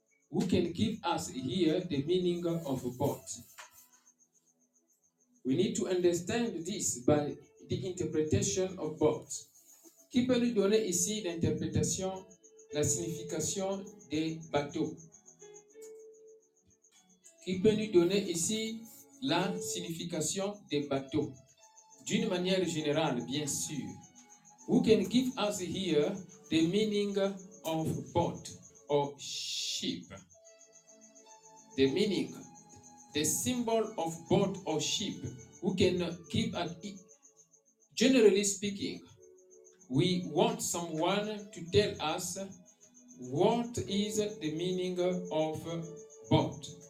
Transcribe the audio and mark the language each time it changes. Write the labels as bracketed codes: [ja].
[en] Who can give us here the meaning of boat? We need to understand this by the interpretation of boat. [fr] Qui peut nous donner ici l'interprétation, la signification des bateaux? Qui peut nous donner ici la signification des bateaux? D'une manière générale, bien sûr. [en] Who can give us here the meaning of boat or ship? The meaning, the symbol of boat or ship. Who can give us, generally speaking, we want someone to tell us what is the meaning of boat.